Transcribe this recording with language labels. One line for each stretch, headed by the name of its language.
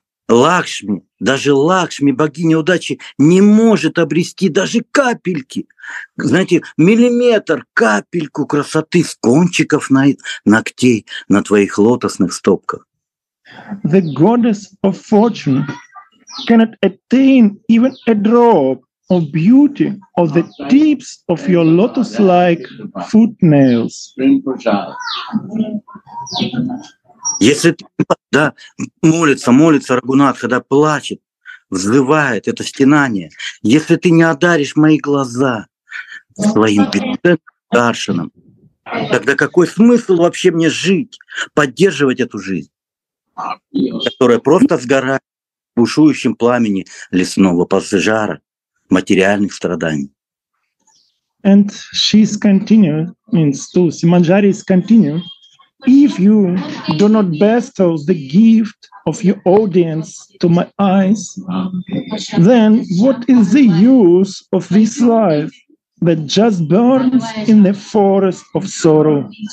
Russian: Лакшми, даже Лакшми, богиня удачи, не может обрести даже капельки, знаете, миллиметр, капельку красоты с кончиков ногтей на твоих лотосных стопках.
English: The goddess of fortune cannot attain even a drop of beauty of the tips of your lotus-like footnails.
Russian: Если ты, да, молится, молится Рагунат, когда плачет, взрывает это стенание, если ты не одаришь мои глаза своим даршином, тогда какой смысл вообще мне жить, поддерживать эту жизнь, которая просто сгорает в бушующем пламени лесного пожара, материальных страданий.
English: And she's continued, means to Simanjari is continued. If you do not bestow the gift of your audience to my eyes, then what is the use of this life that just burns in the forest of sorrow?